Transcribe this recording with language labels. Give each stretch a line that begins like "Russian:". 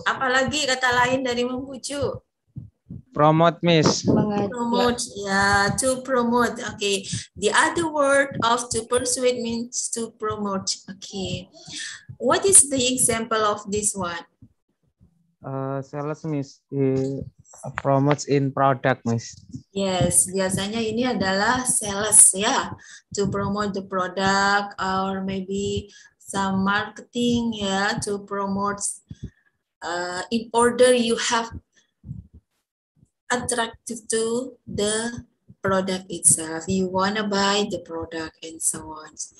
Indonesian: Apalagi kata lain dari membujuk?
English: Promote, Miss. Promote, yeah. To promote. Okay. The other word of to persuade means to promote. Okay. What is the example of this one? Sales, Miss. Promotes in product, Miss.
Indonesian: Yes, biasanya ini adalah sales, ya.
English: Yeah. To promote the product or maybe some marketing, ya. Yeah, to promote in order you have attractive to the product itself. You want to buy the product and so on.